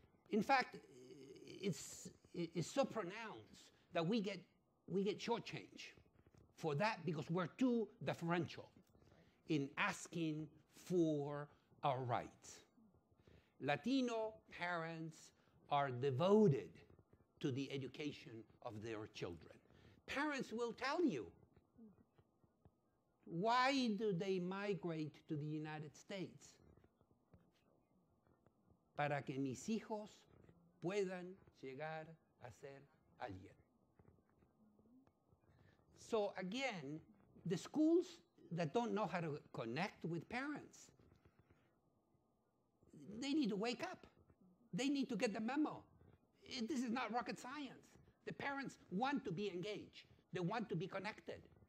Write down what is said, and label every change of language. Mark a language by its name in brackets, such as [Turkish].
[English] In fact, it's so pronounced that we get shortchanged for that because we're too deferential in asking for our rights. Latino parents are devoted to the education of their children. Parents will tell you, Why do they migrate to the United States? [Spanish] Para que mis hijos puedan llegar a ser alguien. [English] So again, the schools that don't know how to connect with parents, they need to wake up. They need to get the memo. This is not rocket science. The parents want to be engaged. They want to be connected.